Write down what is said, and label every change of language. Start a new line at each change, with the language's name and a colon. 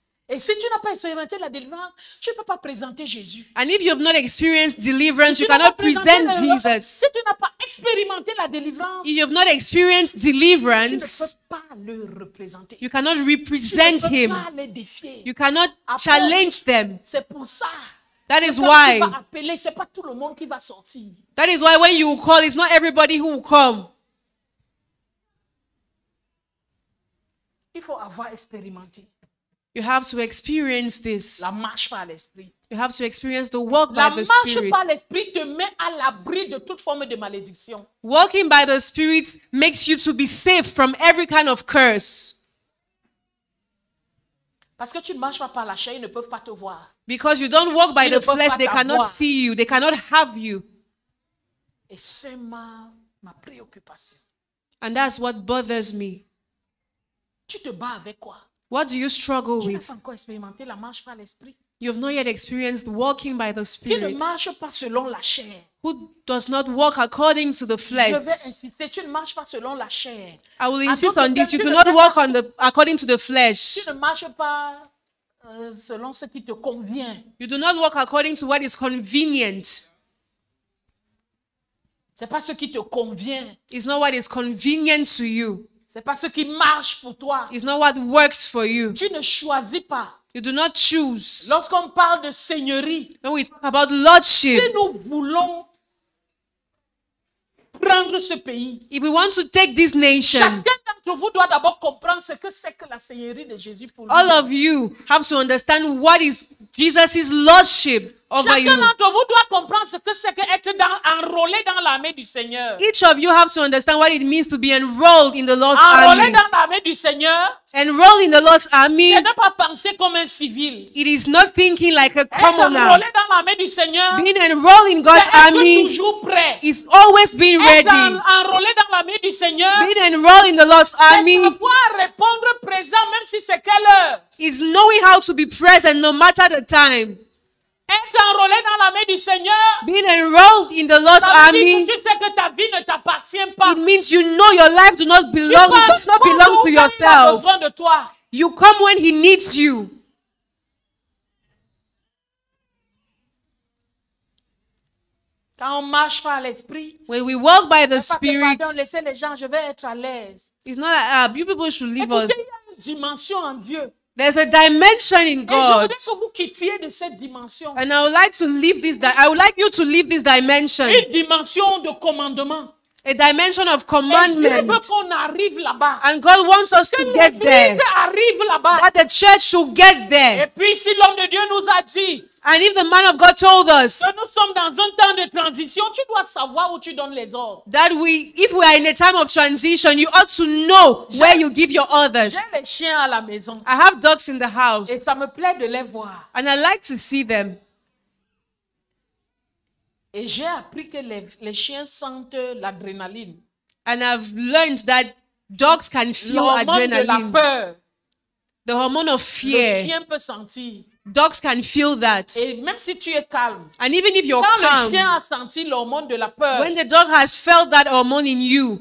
French: Et si tu n'as pas expérimenté la délivrance, tu ne peux pas présenter Jésus.
English: And if you have not experienced deliverance, you cannot present Jesus.
French: Si tu n'as pas expérimenté la délivrance,
English: if you have not experienced deliverance,
French: tu ne peux pas le représenter.
English: You cannot represent him.
French: Tu ne peux pas les défier.
English: You cannot challenge them.
French: C'est pour ça.
English: That is why.
French: Quand tu vas appeler, c'est pas tout le monde qui va sortir.
English: That is why when you call, it's not everybody who will come.
French: Il faut avoir expérimenté.
English: You have to experience this.
French: La marche par l'esprit.
English: You have to experience the walk by the Spirit.
French: La marche par l'esprit te met à l'abri de toute forme de malédiction.
English: Walking by the Spirit makes you to be safe from every kind of curse.
French: Parce que tu ne marches pas par la chair, ils ne peuvent pas te voir.
English: Because you don't walk by
French: ils
English: the flesh, they cannot see you. They cannot have you.
French: Et c'est ma préoccupation.
English: And that's what bothers me.
French: Tu te bats avec quoi?
English: What do you struggle
French: tu
English: with?
French: Tu n'as pas encore expérimenté la marche par l'esprit.
English: You have not yet experienced walking by the Spirit.
French: Qui ne marche pas selon la chair?
English: Who does not walk according to the flesh?
French: Je vais insister, tu ne marches pas selon la chair.
English: I will insist on this. You do not walk on the according to the flesh.
French: Tu ne marches pas selon ce qui te convient.
English: You do not walk according to what is convenient.
French: C'est pas ce qui te convient.
English: It's not what is convenient to you.
French: C'est pas ce qui marche pour toi.
English: It's not what works for you.
French: Tu ne choisis pas.
English: You do not choose.
French: Lorsqu'on parle de seigneurie,
English: when we talk about lordship,
French: si nous voulons prendre ce pays,
English: if we want to take this nation,
French: chacun d'entre vous doit d'abord comprendre ce que c'est que la seigneurie de Jésus pour
English: all of you have to understand what is Jesus's lordship over
French: chacun
English: you.
French: Chacun d'entre vous doit comprendre ce que c'est que être dans, enrôlé dans l'armée du Seigneur.
English: Each of you have to understand what it means to be enrolled in the Lord's
French: enrôlé Enrôlé dans l'armée du Seigneur.
English: Enrolled in the Lord's army.
French: C'est ne pas penser comme un civil.
English: It is not thinking like a
French: être
English: commoner.
French: Enrôlé dans l'armée du Seigneur.
English: Being enrolled in God's army.
French: C'est être toujours prêt.
English: Is always being
French: être Enrôlé dans l'armée du Seigneur.
English: Being enrolled in the Lord's army.
French: C'est savoir répondre présent même si c'est quelle heure.
English: Is knowing how to be present no matter the time.
French: Être enrôlé dans l'armée du Seigneur.
English: Being enrolled in the Lord's army.
French: Tu sais que ta vie ne t'appartient pas.
English: It means you know your life do not belong, it does not belong to yourself.
French: Il a besoin de toi.
English: You come when he needs you.
French: Quand on marche par l'esprit.
English: When we walk by the Spirit.
French: Pardon, laissez les gens, je vais être à l'aise.
English: It's not like, you people should leave
French: écoutez,
English: us.
French: Il y a une dimension en Dieu.
English: There's a dimension in God.
French: Et je voudrais que vous quittiez de cette dimension.
English: And I would like to leave this. I would like you to leave this dimension.
French: Une dimension de commandement.
English: A dimension of commandment.
French: Et Dieu veut qu'on arrive là-bas.
English: And God wants us
French: que
English: to get there.
French: Que l'Église arrive là-bas.
English: That the church should get there.
French: Et puis si l'homme de Dieu nous a dit.
English: And if the man of God told us.
French: Que nous sommes dans un temps de transition, tu dois savoir où tu donnes les ordres.
English: That we, if we are in a time of transition, you ought to know
French: j'ai,
English: where you give your orders.
French: J'ai les chiens à la maison.
English: I have dogs in the house.
French: Et ça me plaît de les voir.
English: And I like to see them.
French: Et j'ai appris que les chiens sentent l'adrénaline.
English: And I've learned that dogs can feel
French: l'hormone
English: adrenaline.
French: L'hormone de la peur.
English: The hormone of fear.
French: Le chien peut sentir.
English: Dogs can feel that.
French: Et même si tu es calme.
English: And even if you're
French: quand
English: calm.
French: Quand le chien a senti l'hormone de la peur.
English: When the dog has felt that hormone in you.